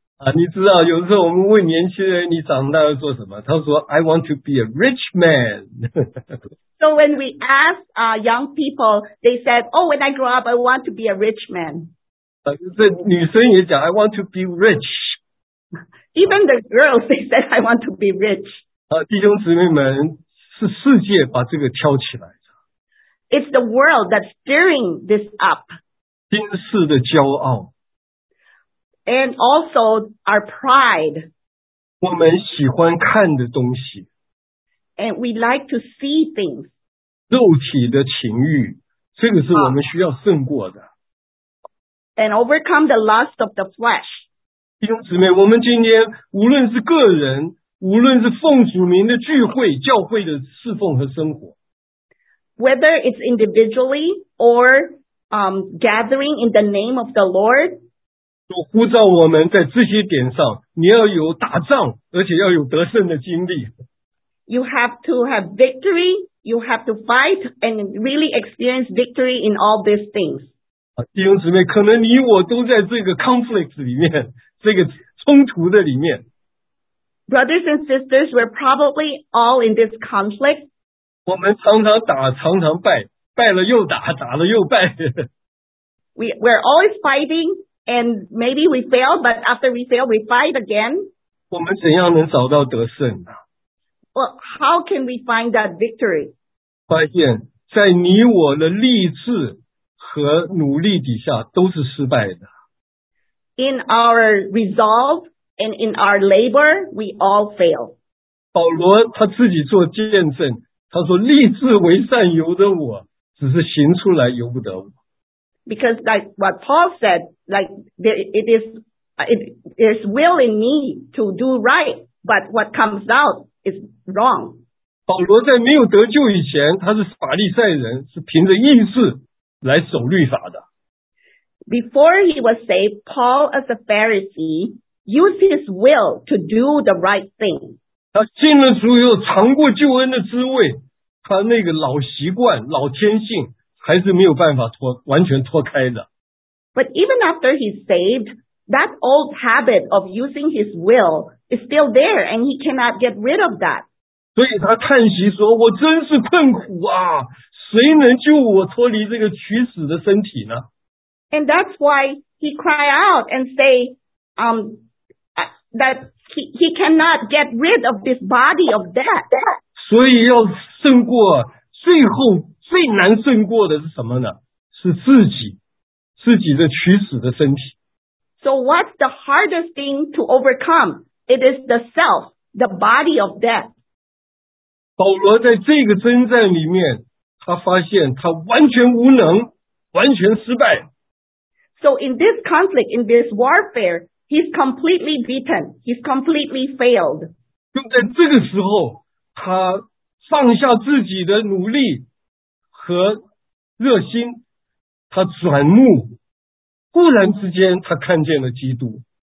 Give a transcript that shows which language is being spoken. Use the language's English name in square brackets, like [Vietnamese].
[Chinese] 啊，你知道有时候我们问年轻人你长大要做什么，他说 [English] I want to be a rich man. So when we ask young people, they said, oh, when I grow up, I want to be a rich man. [Chinese] 啊，这女生也讲 [English] I want to be rich. Even the girls, they said, I want to be rich. [Chinese] 啊，弟兄姊妹们，是世界把这个挑起来的。 [English] It's the world that's stirring this up. [Chinese] 今世的骄傲。 [English] And also our pride. [Chinese] 我们喜欢看的东西。 [English] And we like to see things. [Chinese] 肉体的情欲，这个是我们需要胜过的。 [English] And overcome the lust of the flesh. [Chinese] 弟兄姊妹，我们今天无论是个人，无论是奉主名的聚会，教会的侍奉和生活。 [English] Whether it's individually or gathering in the name of the Lord. [Chinese] 都呼召我们在这些点上，你要有打仗，而且要有得胜的经历。 [English] You have to have victory, you have to fight and really experience victory in all these things. [Chinese] 弟兄姊妹，可能你我都在这个 conflict 里面，这个冲突的里面。 [English] Brothers and sisters, we're probably all in this conflict. [Chinese] 我们常常打，常常败，败了又打，打了又败。 [English] We're always fighting, and maybe we fail, but after we fail, we fight again. [Chinese] 我们怎样能找到得胜呢？ [English] Well, how can we find that victory? [Chinese] 发现，在你我的励志和努力底下，都是失败的。 [English] In our resolve,And in our labor, we all fail. [Chinese] 保罗他自己做见证，他说立志为善由得我，只是行出来由不得我。 [English] Because like what Paul said, like there's will in me to do right, but what comes out is wrong. [Chinese] 保罗在没有得救以前，他是法利赛人，是凭着意志来守律法的。 [English] Before he was saved, Paul as a Pharisee,Use his will to do the right thing. [Chinese] 他信了主以后，尝过救恩的滋味，他那个老习惯、老天性还是没有办法完全脱开的。 [English] But even after he's saved, that old habit of using his will is still there, and he cannot get rid of that. [Chinese] 所以他叹息说：“我真是困苦啊！谁能救我脱离这个取死的身体呢？” [English] And that's why he cry out and say, That he cannot get rid of this body of death. [Chinese] 所以要胜过最后最难胜过的是什么呢？是自己的取死的身体。 [English] So what's the hardest thing to overcome? It is the self, the body of death. [Chinese] 保罗在这个征战里面，他发现他完全无能，完全失败。 [English] So in this conflict, in this warfare,He's completely beaten. He's completely failed. [Chinese] 就在这个时候，他放下自己的努力和热心，他转目，忽然之间他看见了基督。